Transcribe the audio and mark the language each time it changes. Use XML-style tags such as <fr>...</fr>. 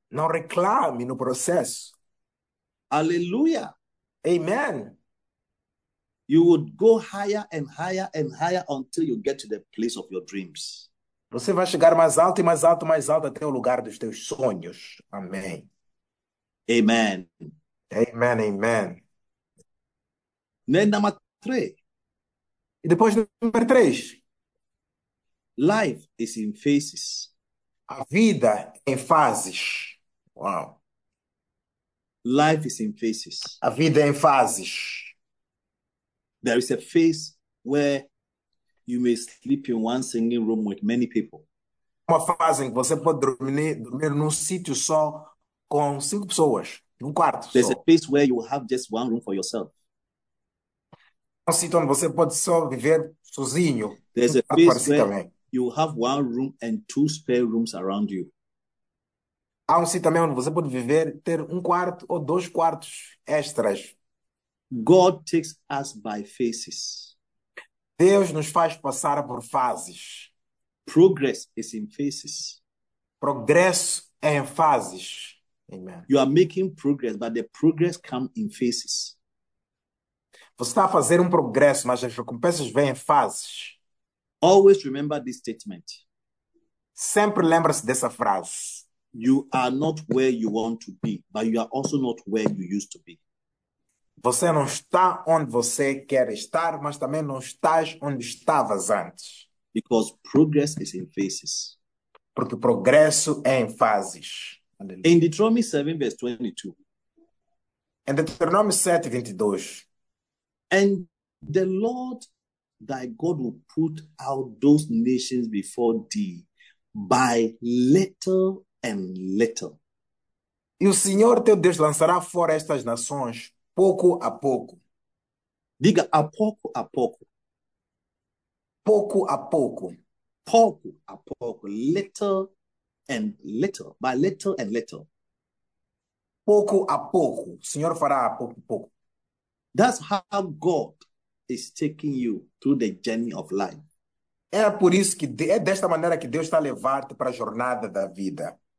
<pt>Não reclame no processo. Hallelujah. Amen.</pt> <en>You would go higher and higher and higher until you get to the place of your dreams.</en> <pt>Você vai chegar mais alto e mais alto, mais alto até o lugar dos teus sonhos. Amém. Amen. Amen, amen. Número 3. E depois número 3.</pt> <en>Life is in phases.</en> <pt>A vida em fases. Wow.</pt> <en>Life is in phases.</en> <pt>A vida em fases.</pt> <en>There is a phase where you may sleep in one single room with many people.</en> <pt>Uma fase em que você pode dormir num sítio só com cinco pessoas, num quarto.</pt> <en>There's</en> <pt>só.</pt> <en>A place where you have just one room for yourself.</en> <pt>Um sítio onde você pode só viver sozinho.</pt> <en>There's a place where you have one room and two spare rooms around you.</en> <pt>Há sítio também onde você pode viver, ter quarto ou dois quartos extras.</pt> <en>God takes us by phases.</en> <pt>Deus nos faz passar por fases.</pt> <en>Progress is in phases.</en> <pt>Progresso é em fases. Amen.</pt> <en>You are making progress, but the progress comes in phases.</en> <pt>Você está a fazer progresso, mas as recompensas vêm em fases.</pt> <en>Always remember this statement.</en> <pt>Sempre lembra-se dessa frase.</pt> <en>You are not where you want to be, but you are also not where you used to be.</en> <pt>Você não está onde você quer estar, mas também não estás onde estavas antes.</pt> <en>Because progress is in phases.</en> <pt>Porque o progresso é em fases.</pt> <en>Aleluia. In Deuteronomy 7, verse 22.</en> <pt>Em Deuteronomy 7, 22.</pt> <en>And the Lord thy God will put out those nations before thee by little and little.</en> <pt>E o Senhor teu Deus lançará fora estas nações pouco a pouco. Diga a pouco a pouco. Pouco a pouco. Pouco a pouco.</pt> <en>Little and little. By little and little.</en> <pt>Pouco a pouco. O Senhor fará a pouco a pouco.</pt> <en>That's how God is taking you through the journey of life.</en> <pt>É por isso que é desta maneira que Deus está levando-te para a jornada da vida.</pt>